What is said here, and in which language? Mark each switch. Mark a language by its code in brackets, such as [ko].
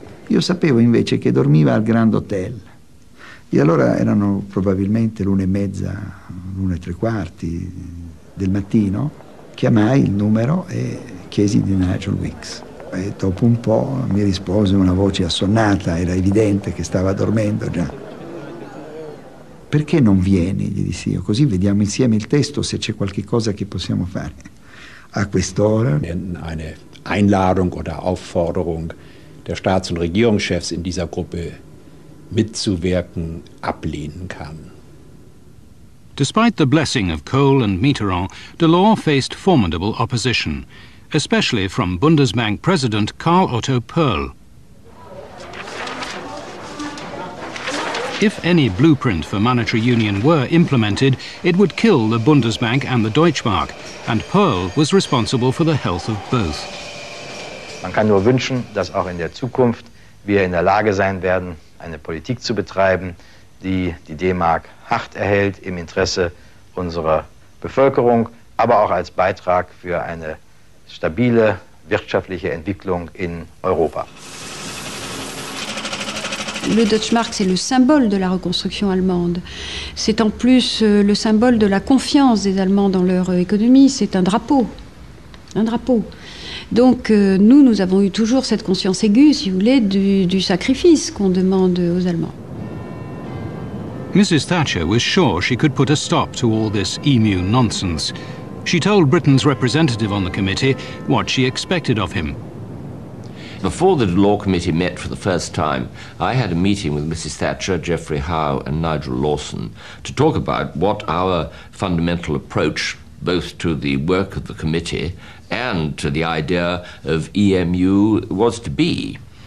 [it] Io sapevo invece che dormiva al Grand Hotel. E allora erano probabilmente l'una e mezza, l'una e tre quarti del mattino. Chiamai il numero e chiesi di Nigel Wicks. E dopo un po' mi rispose una voce assonnata, era evidente che stava dormendo già. Perché non vieni? Gli dissi io. Così vediamo insieme il testo se c'è qualche cosa che possiamo fare. A quest'ora. [de] Eine Einladung oder Aufforderung der Staats- und Regierungschefs in dieser Gruppe mitzuwirken ablehnen kann. [en] Despite the blessing of Kohl and Mitterrand, Delors faced formidable opposition, especially from Bundesbank President Karl Otto Perl. If any blueprint for monetary union were implemented, it would kill the Bundesbank and the Deutschmark, and Perl was responsible for the health of both. [de] Man kann nur wünschen, dass auch in der Zukunft wir in der Lage sein werden, eine Politik zu betreiben, die die D-Mark hart erhält im Interesse unserer Bevölkerung aber auch als Beitrag für eine stabile wirtschaftliche Entwicklung in Europa. [fr] Le Deutschmark, c'est le symbole de la reconstruction allemande. C'est en plus le symbole de la confiance des Allemands dans leur économie. C'est un drapeau. Un drapeau. Donc nous, nous avons eu toujours cette conscience aiguë, si vous voulez, du sacrifice qu'on demande aux Allemands. [en] Mrs. Thatcher was sure she could put a stop to all this emu nonsense. She told Britain's representative on the committee what she expected of him. Before the Law Committee met for the first time, I had a meeting with Mrs. Thatcher, Geoffrey Howe and Nigel Lawson to talk about what our fundamental approach, both to the work of the committee and to the idea of EMU, was to be.